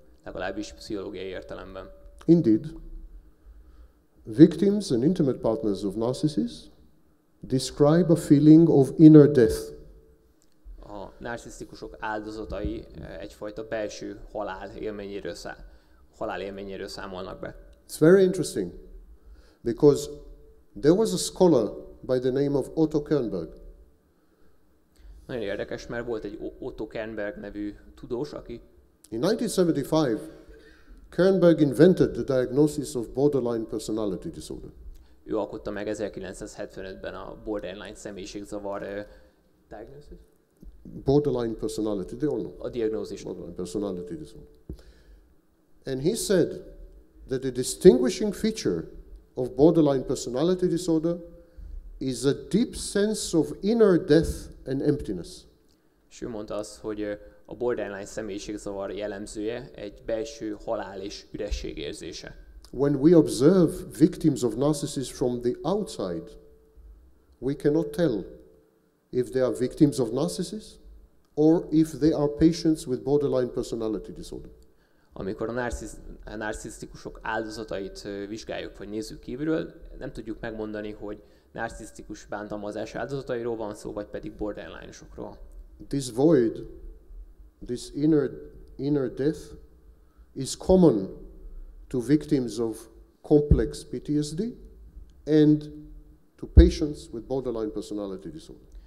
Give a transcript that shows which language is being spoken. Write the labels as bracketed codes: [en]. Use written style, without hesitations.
[hu] Legalábbis pszichológiai értelemben. [en] Indeed, victims and intimate partners of narcissists describe a feeling of inner death. [hu] A narcisztikusok áldozatai egyfajta belső halál élményéről számolnak be. [en] It's very interesting because there was a scholar by the name of Otto Kernberg. [hu] Nagyon érdekes, mert volt egy Otto Kernberg nevű tudós, aki [en] in 1975 Kernberg invented the diagnosis of borderline personality disorder. [hu] Ő alkotta meg 1975-ben a borderline személyiségzavar diagnosis. [en] Borderline personality, they all know. [hu] A diagnózis. [en] Borderline personality disorder. And he said that the distinguishing feature of borderline personality disorder is a deep sense of inner death and emptiness. [hu] És ő mondta azt, hogy a borderline személyiségzavar jellemzője egy belső halál és üresség érzése. [en] When we observe victims of narcissists from the outside, we cannot tell if they are victims of narcissists or if they are patients with borderline personality disorder. [hu] Amikor a narcisztikusok áldozatait vizsgáljuk vagy nézzük kívülről, nem tudjuk megmondani, hogy narcisztikus bántalmazás áldozatairól van szó, vagy pedig borderline-osokról. [en] This void, this inner death is common to victims of complex PTSD and to patients with borderline personality disorder.